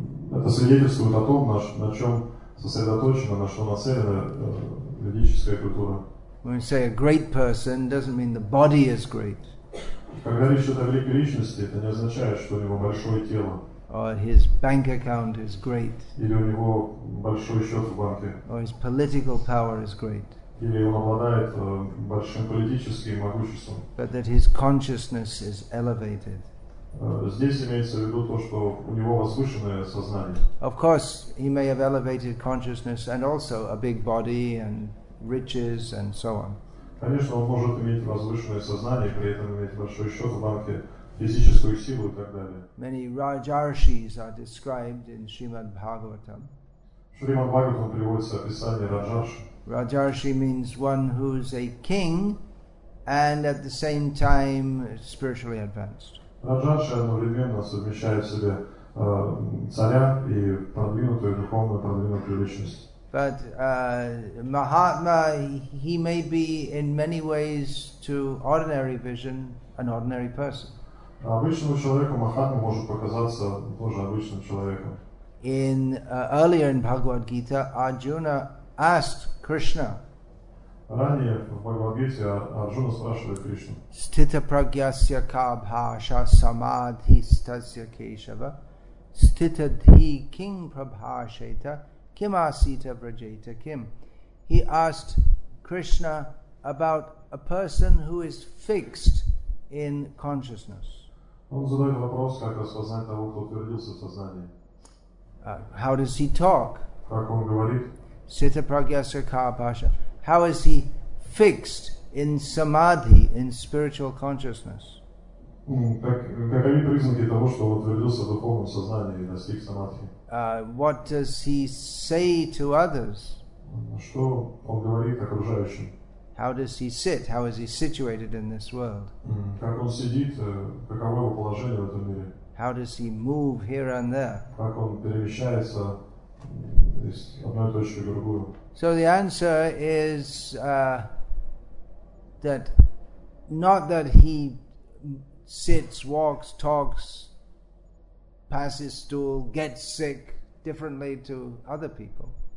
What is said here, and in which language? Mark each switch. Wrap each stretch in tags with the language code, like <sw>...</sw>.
<ru>Это свидетельствует о том, на чем сосредоточено, на что нацелена ведическая культура.</ru> <en>When we say a great person, doesn't mean the body is great.</en> <ru>Когда речь идет о великой личности, это не означает, что у него большое тело.</ru> <en>or his bank account is great,</en> <ru>или у него большой счет в банке,</ru> <en>or his political power is great,</en> <ru>или он обладает большим политическим могуществом,</ru> <en>but that his consciousness is elevated.</en> <ru>Здесь имеется в виду то, что у него возвышенное сознание.</ru> <en>Of course, he may have elevated consciousness and also a big body and riches and so on.</en> <ru>Конечно, он может иметь возвышенное сознание, при этом иметь большой счет в банке, физическую силу и так далее.</ru> <en>Many Rajarshis are described in Srimad Bhagavatam.</en> <ru>В Шримад Бхагаватам приводится описание Раджарши.</ru> <en>Rajarshi means one who is a king and at the same time spiritually advanced.</en> <ru>Раджарши одновременно совмещает в себе царя и продвинутую духовную, продвинутую личность.</ru> <en>But Mahatma, he may be in many ways to ordinary vision an ordinary person.</en> <ru>Обычному человеку Махатма может показаться тоже обычным человеком.</ru> <en>In earlier in Bhagavad Gita, Arjuna asked Krishna.</en> <ru>Ранее в Бхагавад-гите Арджуна спрашивает Кришну.</ru> <sa>Stita pragyasya ka bhasha samadhi stasya keshava stita dhi king prabhasheta kim asita vrajeta kim.</sa> <en>He asked Krishna about a person who is fixed in consciousness.</en> <ru>Он задает вопрос, как распознать того, кто утвердился в сознании.</ru> <en>How does he talk?</en> <ru>Как он говорит?</ru> <sa>Stita pragyasya ka bhasha.</sa> <en>How is he fixed in samadhi, in spiritual consciousness?</en> <ru>Какие признаки того, что он утвердился в духовном сознании и достиг самадхи?</ru> <en>What does he say to others?</en> <ru>Что он говорит окружающим?</ru> <en>How does he sit? How is he situated in this world?</en> <ru>Как он сидит? Каково его положение в этом мире?</ru> <en>How does he move here and there?</en> <ru>Как он перемещается из одной точки в другую?</ru> <en>So the answer is that not that he sits, walks, talks, passes stool, gets sick differently to other people.</en>